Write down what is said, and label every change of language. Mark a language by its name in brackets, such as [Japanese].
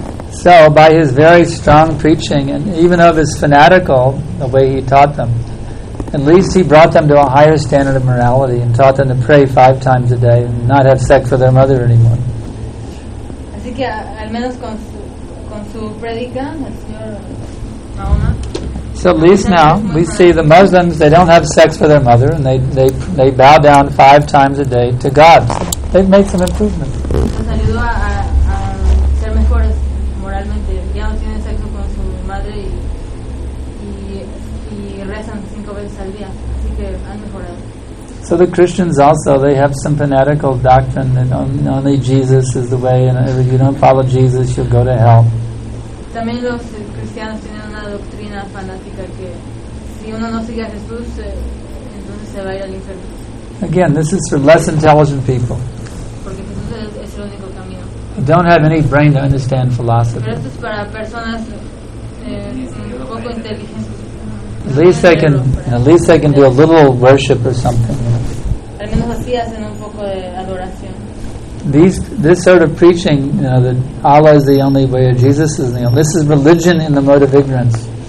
[English] So by his very strong preaching, and even though it was fanatical the way he taught them, at least he brought them to a higher standard of morality and taught them to pray 5 times a day and not have sex with their mother anymore. [Spanish] Así que al menos con su predica, el señor Mahoma. [English] So at least now we see the Muslims, they don't have sex with their mother, and they bow down 5 times a day to God. So they've made some improvement. [Spanish] Les ayudó a ser mejores moralmente. Ya no tienen sexo con su madre y rezan 5 veces al día. Así que han mejorado. [English] So the Christians also, they have some fanatical doctrine that only Jesus is the way, and if you don't follow Jesus, you'll go to hell. [Spanish] También los cristianos tienen una doctrina fanática que si uno no sigue a Jesús, entonces se va a ir al infierno. [English] Again, this is for less intelligent people. [Spanish] Porque Jesús es el único camino. [English] They don't have any brain to understand philosophy. [Spanish] Pero esto es para personas poco inteligentes. [English] At least they can do a little worship or something. [Spanish] Al menos así hacen un poco de adoración. [English] This sort of preaching, you know, that Allah is the only way, or Jesus is the only, this is religion in the mode of ignorance.